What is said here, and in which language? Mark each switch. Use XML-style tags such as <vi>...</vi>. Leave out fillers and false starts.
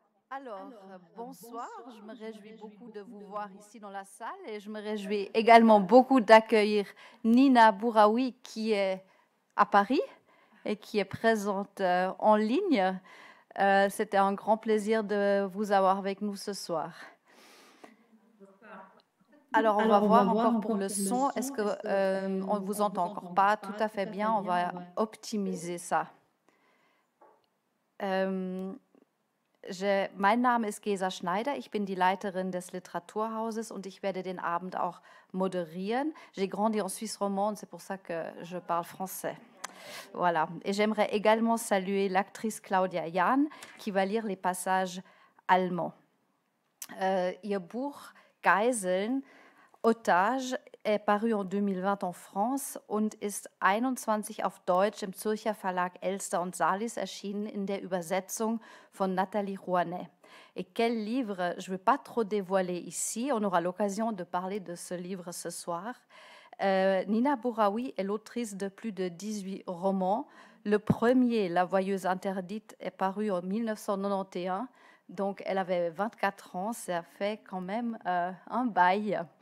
<fr>Alors, bonsoir, je me réjouis beaucoup de vous voir ici dans la salle et je me réjouis également beaucoup d'accueillir Nina Bouraoui qui est à Paris et qui est présente en ligne. C'était un grand plaisir de vous avoir avec nous ce soir. Alors, on va voir encore pour le son, est-ce qu'on ne vous entend encore pas tout à fait bien, on va optimiser ça.</fr> <de>Mein Name ist Gesa Schneider, ich bin die Leiterin des Literaturhauses und ich werde den Abend auch moderieren.</de> <fr>J'ai grandi en Suisse romande, c'est pour ça que je parle français. Voilà. Et j'aimerais également saluer l'actrice Claudia Jahn, qui va lire les passages allemands.</fr> <de>Ihr Buch Geiseln, Otage,</de> <fr>est paru en 2020 en France</fr> <de>und ist 21 auf Deutsch im Zürcher Verlag Elster und Salis erschienen in der Übersetzung von Nathalie Rouanet.</de> <fr>Et quel livre, je ne veux pas trop dévoiler ici, on aura l'occasion de parler de ce livre ce soir. Nina Bouraoui est l'autrice de plus de 18 romans. Le premier, La Voyeuse interdite, est paru en 1991. Donc, elle avait 24 ans, ça fait quand même un bail.</fr>